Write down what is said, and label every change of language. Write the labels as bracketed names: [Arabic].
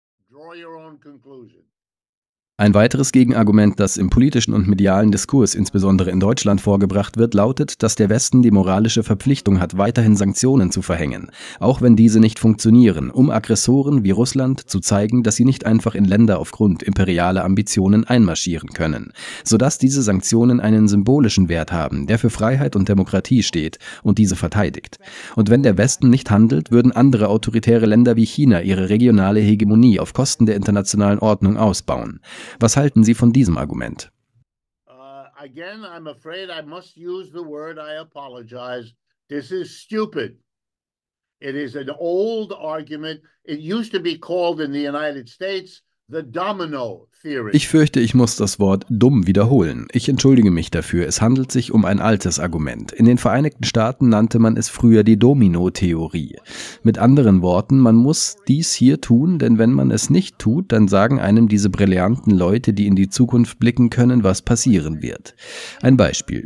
[English] Draw your own conclusion. [German] Ein weiteres Gegenargument, das im politischen und medialen Diskurs, insbesondere in Deutschland, vorgebracht wird, lautet, dass der Westen die moralische Verpflichtung hat, weiterhin Sanktionen zu verhängen, auch wenn diese nicht funktionieren, um Aggressoren wie Russland zu zeigen, dass sie nicht einfach in Länder aufgrund imperialer Ambitionen einmarschieren können, sodass diese Sanktionen einen symbolischen Wert haben, der für Freiheit und Demokratie steht und diese verteidigt. Und wenn der Westen nicht handelt, würden andere autoritäre Länder wie China ihre regionale Hegemonie auf Kosten der internationalen Ordnung ausbauen. Was halten Sie von diesem Argument? [English] Again, I'm afraid I must use the word I apologize. This is stupid. It is an old argument. It used to be called in the United States the domino theory. [German] Ich fürchte, ich muss das Wort dumm wiederholen. Ich entschuldige mich dafür. Es handelt sich um ein altes Argument. In den Vereinigten Staaten nannte man es früher die Domino-Theorie. Mit anderen Worten, man muss dies hier tun, denn wenn man es nicht tut, dann sagen einem diese brillanten Leute, die in die Zukunft blicken können, was passieren wird. Ein Beispiel.